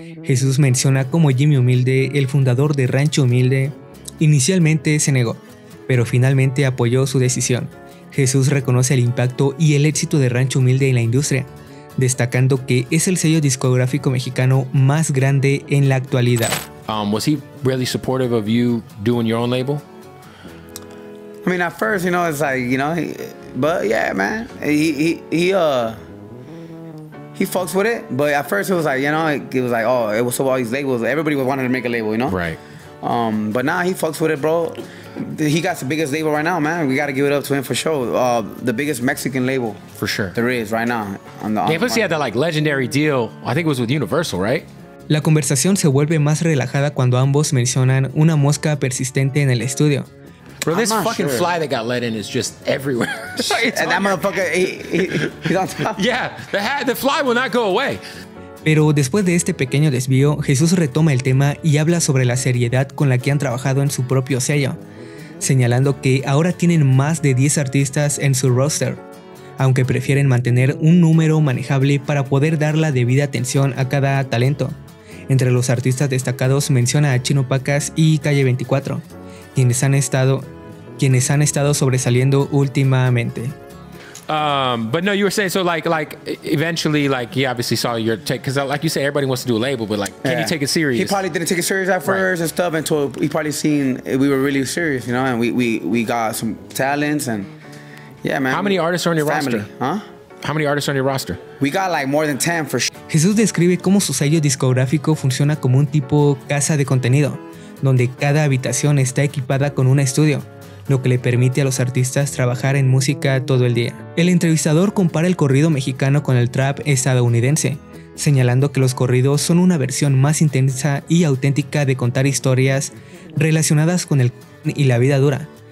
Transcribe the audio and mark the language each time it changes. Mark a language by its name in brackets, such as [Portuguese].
[Spanish] Jesús menciona cómo Jimmy Humilde, el fundador de Rancho Humilde, inicialmente se negó, pero finalmente apoyó su decisión. Jesús reconoce el impacto y el éxito de Rancho Humilde en la industria, destacando que es el sello discográfico mexicano más grande en la actualidad. [English] Was he really supportive of you doing your own label? I mean, at first, you know, it's like, you know, but yeah, man, he fucks with it, but at first it was like, you know, it was like, oh, it was so all these labels, everybody was wanting to make a label, you know? Right. But now he fucks with it, bro. He got the biggest label right now, man. We got to give it up to him for sure. The biggest Mexican label. For sure. There is right now. Plus he had that like legendary deal. I think it was with Universal, right? [Spanish] La conversación se vuelve más relajada cuando ambos mencionan una mosca persistente en el estudio. [English] Bro, this fucking fly that got let in is just everywhere. And that motherfucker, he's on top. Yeah, the fly will not go away. [Spanish] Pero después de este pequeño desvío, Jesús retoma el tema y habla sobre la seriedad con la que han trabajado en su propio sello, señalando que ahora tienen más de 10 artistas en su roster, aunque prefieren mantener un número manejable para poder dar la debida atención a cada talento. Entre los artistas destacados menciona a Chino Pacas y Calle 24, quienes han estado sobresaliendo últimamente. [English] But no, you were saying, so like eventually, like he obviously saw your take, because like you say, everybody wants to do a label, but like, can you take it serious? He probably didn't take it serious at first, right, and stuff, until he probably seen we were really serious, you know, and we got some talents, and yeah, man. How many artists are on your family roster? Huh? How many artists are on your roster? We got like more than 10 for sure. [Spanish] Jesús describe cómo su sello discográfico funciona como un tipo casa de contenido, donde cada habitación está equipada con un estudio, lo que le permite a los artistas trabajar en música todo el día. El entrevistador compara el corrido mexicano con el trap estadounidense, señalando que los corridos son una versión más intensa y auténtica de contar historias relacionadas con el y la vida dura.